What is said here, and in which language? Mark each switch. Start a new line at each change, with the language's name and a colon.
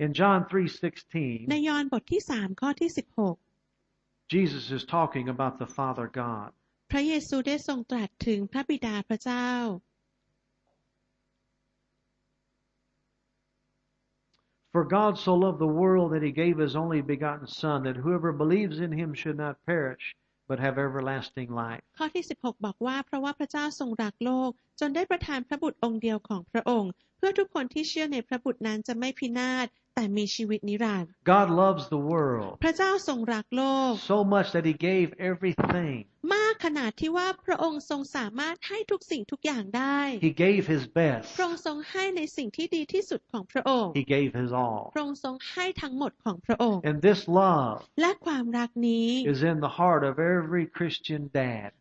English: In John 3:16
Thai: ในยอห์นบทที่3ข้อที่16
English: Jesus is talking about the Father God
Thai: พระเยซูได้ทรงตรัสถึงพระบิดาพระเจ้า
English: For God so loved the world that he gave his only begotten son that whoever believes in him should not perishBut have everlasting life.
Thai: ข้อที่16บอกว่าเพราะว่าพระเจ้าทรงรักโลกจนได้ประทานพระบุตรองค์เดียวของพระองค์เพื่อทุกคนที่เชื่อในพระบุตรนั้นจะไม่พินาศแต่มีชีวิตนิรันดร์
English: God loves the world.
Thai: พระเจ้าทรงรักโลก
English: So much that he gave everything.
Thai: มากขนาดที่ว่าพระองค์ทรงสามารถให้ทุกสิ่งทุกอย่างได้
English: He gave his best.
Thai: พระองค์ทรงให้ในสิ่งที่ดีที่สุดของพระองค์
English: He gave his all.
Thai: พระองค์ทรงให้ทั้งหมดของพระองค์
English: And this love.
Thai: และความรักนี้
English: is in the heart of every Christian dad.